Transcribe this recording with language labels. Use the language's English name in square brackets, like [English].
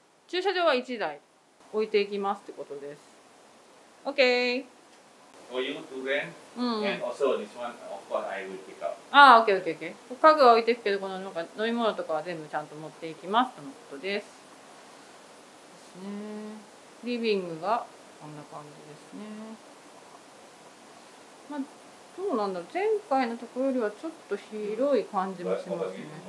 [Japanese] 駐車場は1台置いていきますってことです。 [English] Okay. For you to rent. Mm-hmm. And also this one, of course, I will pick up. ああ、OKOKOK。 [Japanese] 家具は置いていくけど、このなんか飲み物とかは全部ちゃんと持っていきますとのことです。ですね。リビングがこんな感じですね。まあ、どうなんだろう。前回のところよりはちょっと広い感じもしますね。